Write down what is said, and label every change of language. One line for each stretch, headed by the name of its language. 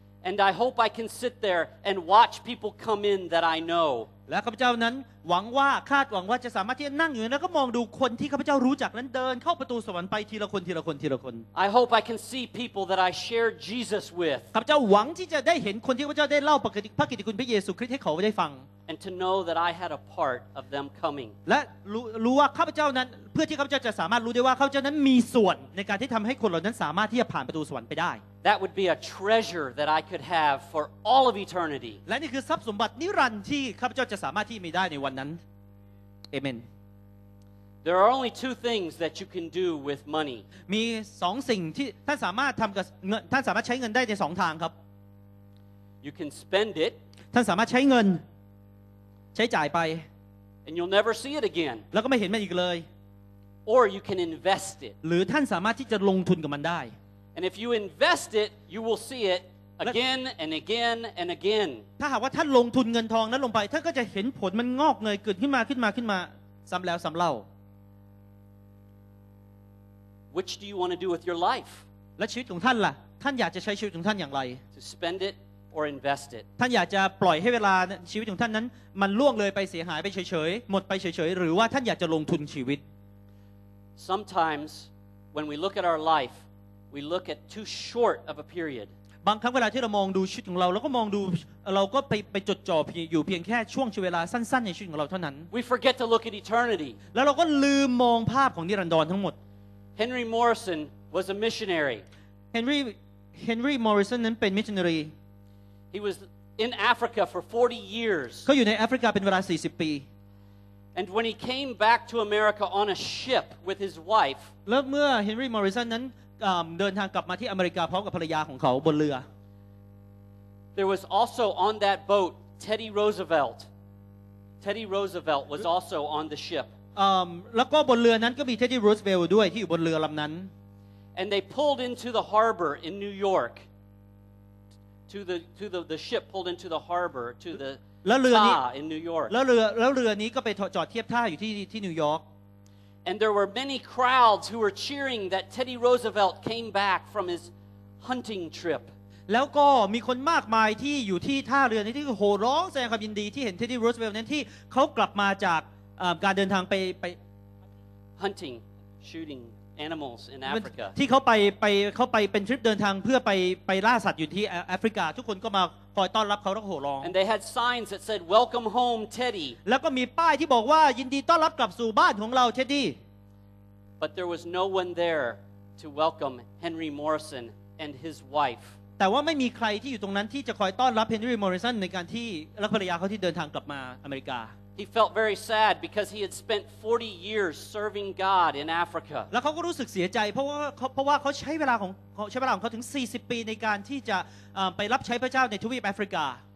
English: And I hope I can sit there and watch people come in that I know
Thai: และข้าพเจ้านั้นหวังว่าคาดหวังว่าจะสามารถที่จะนั่งอยู่แล้วก็มองดูคนที่ข้าพเจ้ารู้จักนั้นเดินเข้าประตูสวรรค์ไปทีละคนทีละคนทีละคน
English: I hope I can see people that I share Jesus with
Thai: ข้าพเจ้าหวังที่จะได้เห็นคนที่ข้าพเจ้าได้เล่าพระกิตติคุณพระเยซูคริสต์ให้เขาได้ฟัง
English: And to know that I had a part of them coming
Thai: และรู้ว่าข้าพเจ้านั้นเพื่อที่ข้าพเจ้าจะสามารถรู้ได้ว่าข้าพเจ้านั้นมีส่วนในการที่ทำให้คนเหล่านั้นสามารถที่จะผ่านประตูสวรรค์ไปได้
English: That would be a treasure that I could have for all of eternity
Thai: และนี่คือทรัพย์สมบัตินิรันดร์ที่ข้าพเจ้าจะสามารถที่มีได้ในวันนั้น Amen
English: There are only two things that you can do with money
Thai: มี2สิ่งที่ท่านสามารถทำกับเงินท่านสามารถใช้เงินได้ใน2ทางครับ
English: You can spend it
Thai: ท่านสามารถใช้เงินใช้จ่ายไป
English: And you'll never see it again
Thai: แล้วก็ไม่เห็นมันอีกเลย
English: Or you can invest it.
Thai: หรือท่านสามารถที่จะลงทุนกับมันได้
English: And if you invest it, you will see it again and again and again.
Thai: ถ้าหากว่าท่านลงทุนเงินทองนั้นลงไปท่านก็จะเห็นผลมันงอกเงยเกิดขึ้นมาขึ้นมาขึ้นมาซ้ำแล้วซ้ำเล่า
English: Which do you want to do with your life?
Thai: และชีวิตของท่านล่ะท่านอยากจะใช้ชีวิตของท่านอย่างไร
English: To spend it or invest it.
Thai: ท่านอยากจะปล่อยให้เวลาชีวิตของท่านนั้นมันล่วงเลยไปเสียหายไปเฉยๆหมดไปเฉยๆหรือว่าท่านอยากจะลงทุนชีวิต
English: Sometimes when we look at our life we look at too short of a period
Thai: บางครั้งเวลาที่เรามองดูชีวิตของเราแล้วก็มองดูเราก็ไปจดจ่ออยู่เพียงแค่ช่วงเวลาสั้นๆในชีวิตของเราเท่านั้น
English: We forget to look at eternity
Thai: แล้วเราก็ลืมมองภาพของนิรันดรทั้งหมด
English: Henry Morrison was a missionary
Thai: Henry Morrison นั้นเป็นมิชชันนารี
English: He was in Africa for 40 years
Thai: เขาอยู่ในแอฟริกาเป็นเวลา40ปี
English: And when he came back to America on a ship with his wife,
Thai: แล้วเมื่อเฮนรี่มอริสันนั้นเดินทางกลับมาที่อเมริกาพร้อมกับภรรยาของเขาบนเรือ
English: There was also on that boat Teddy Roosevelt. Teddy Roosevelt was also on the ship.
Thai: แล้วก็บนเรือนั้นก็มีเท็ดดี้รูสเวลด้วยที่อยู่บนเรือลำนั้น
English: And they pulled into the harbor in New York. To the ship pulled into the harbor to the
Thai: แล้วเรือนี้
English: in New York.
Thai: แล้วเรือนี้ก็ไปจอดเทียบท่าอยู่ที่นิวยอร์ก
English: And there were many crowds who were cheering that Teddy Roosevelt came back from his hunting trip
Thai: แล้วก็มีคนมากมายที่อยู่ที่ท่าเรือนี้ที่โห่ร้องแสดงความยินดีที่เห็นเท็ดดี้รูสเวลต์นั้นที่เขากลับมาจากการเดินทางไป
English: hunting shooting animals in Africa
Thai: ที่เขาไปเป็นทริปเดินทางเพื่อไปล่าสัตว์อยู่ที่แอฟริกาทุกคนก็มาคอยต้อนรับเขาแล้วก็โห่ร้อง
English: And they had signs that said Welcome home Teddy
Thai: แล้วก็มีป้ายที่บอกว่ายินดีต้อนรับกลับสู่บ้านของเราเท็ดดี้
English: But there was no one there to welcome Henry Morrison and his wife
Thai: แต่ว่าไม่มีใครที่อยู่ตรงนั้นที่จะคอยต้อนรับ Henry Morrison ในการที่และภรรยาเขาที่เดินทางกลับมาอเมริกา
English: He felt very sad because he had spent 40 years serving God in Africa
Thai: แล้วเขาก็รู้สึกเสียใจเพราะว่าเขาใช้เวลาของเขาถึง40ปีในการที่จะไปรับใช้พระเจ้าในทวีปแอฟริกา